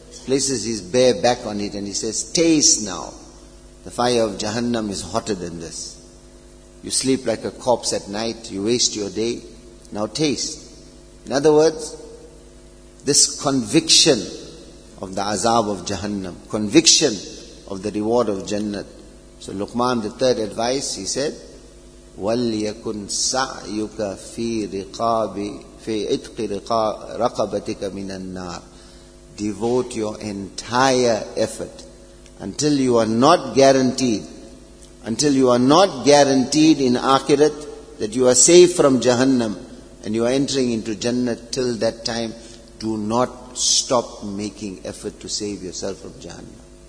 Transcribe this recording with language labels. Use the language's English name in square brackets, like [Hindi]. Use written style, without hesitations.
[English] Places his bare back on it and he says, taste now. The fire of Jahannam is hotter than this. You sleep like a corpse at night, you waste your day. Now taste. In other words, this conviction of the azab of Jahannam, conviction of the reward of Jannat. So Luqman, the third advice, he said, [Arabic] وَلْيَكُنْ سَعْيُكَ فِي رِقَابِ فِي إِتْقِ رَقَبَتِكَ مِنَ النَّارِ. [English] Devote your entire effort until you are not guaranteed, until you are not guaranteed in akhirat that you are safe from Jahannam and you are entering into Jannah. Till that time, do not stop making effort to save yourself from Jahannam.